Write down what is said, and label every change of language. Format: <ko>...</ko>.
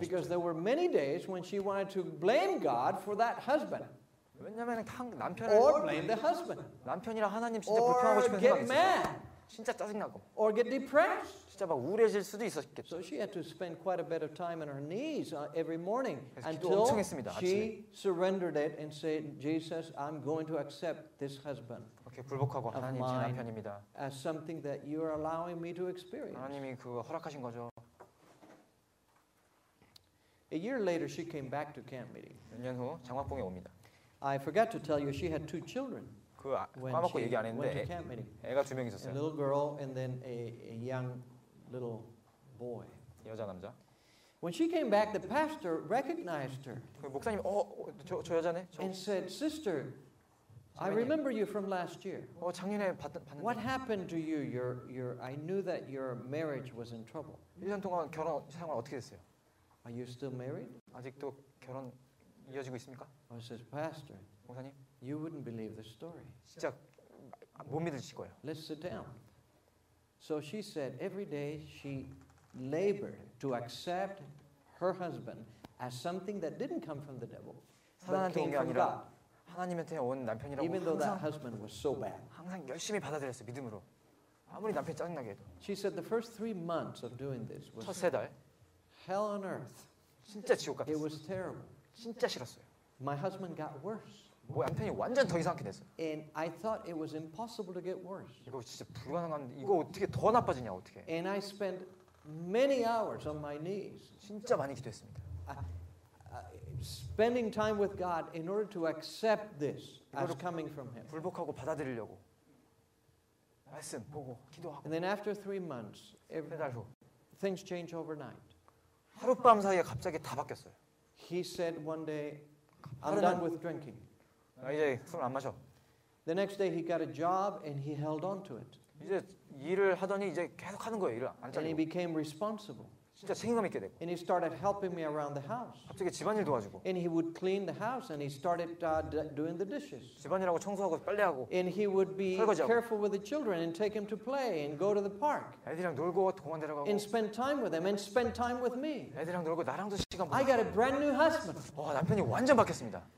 <en>Because there were many days when she wanted to blame God for that husband.</en> <ko>왜냐면 남편을.</ko> <en>Or blame the husband.</en> <ko>남편이랑 하나님 진짜 불평하고 싶은 생각이 있어요.</ko> <en>Or get mad.</en> <ko>진짜 짜증나고.</ko> <en>Or get depressed.</en> <ko>진짜 막 우울해질 수도 있었겠죠.</ko> <en>So she had to spend quite a bit of time on her knees every morning until she surrendered it and said, "Jesus, I'm going to accept this husband of mine as something that you are allowing me to experience."</en> <ko>하나님이 그거 허락하신 거죠.</ko> <en>A year later, she came back to camp meeting.</en> <ko>몇년후 장막봉에 옵니다.</ko> <en>I forgot to tell you, she had two children.</en> <ko>그 까먹고 얘기 안 했는데 애가 두 명 있었어요.</ko> <en>A little girl and then a young little boy.</en> <ko>여자 남자.</ko> <en>When she came back, the pastor recognized her.</en> <ko>그 목사님, 저 여자네.</ko> <en>And said, "Sister, I remember you from last year."</en> <ko>작년에 봤는데.</ko> <en>What happened to you? Your I knew that your marriage was in trouble.</en> <ko>1년 동안 결혼 생활 어떻게 됐어요?</ko> <en>Are you still married?</en> <ko>아직도 결혼 이어지고 있습니까?</ko> <en>I said, "Pastor."</en> <ko>목사님.</ko> <en>You wouldn't believe the story.</en> <ko>진짜 못 믿으실 거예요.</ko> <en>Let's sit down. So she said every day she labored to accept her husband as something that didn't come from the devil.</en> <ko>사단한테 온 게 아니라 하나님한테 온 남편이라고</ko> <en>Even though that husband was so bad.</en> <ko>항상 열심히 받아들였어요, 믿음으로. 아무리 남편이 짜증나게 해도.</ko> <en>She said the first 3 months of doing this was</en> <ko>첫 세 달.</ko> <en>Hell on earth.</en> <ko>진짜 지옥 같았어요.</ko> <en>It was terrible.</en> <ko>진짜 싫었어요.</ko> <en>My husband got worse.</en> <ko>뭐 남편이 완전 더 이상하게 됐어.</ko> <en>And I thought it was impossible to get worse.</en> <ko>이거 진짜 불가능한데 이거 어떻게 더 나빠지냐 어떻게?</ko> <en>And I spent many hours on my knees.</en> <ko>진짜 많이 기도했습니다.</ko> <en>Spending time with God in order to accept this as coming from Him.</en> <ko>굴복하고 받아들이려고 말씀 보고 기도하고.</ko> <en>And then after 3 months,</en> <ko>3달 후,</ko> <en>things change overnight.</en> <ko>하룻밤 사이에 갑자기 다 바뀌었어요.</ko> <en>He said one day, "I'm done with drinking."</en> <ko>아 이제 술 안 마셔.</ko> <en>The next day he got a job and he held on to it.</en> <ko>이제 일을 하더니 이제 계속 하는 거예요, 일을 안 잘리고.</ko> <en>And he became responsible.</en> <ko>진짜 책임감 있게 되고.</ko> <en>And he started helping me around the house.</en> <ko>갑자기 집안일 도와주고.</ko> <en>And he would clean the house and he started doing the dishes.</en> <ko>집안일하고 청소하고 빨래하고.</ko> <en>And he would be</en> <ko>설거지하고.</ko> <en>Careful with the children and take them to play and go to the park.</en> <ko>애들이랑 놀고 공원 데려가고.</ko> <en>And spend time with them and spend time with me.</en> <ko>애들이랑 놀고 나랑도 시간 보내.</ko> <en>I got a brand new husband.</en> <ko>와, 남편이 완전 바뀌었습니다.</ko>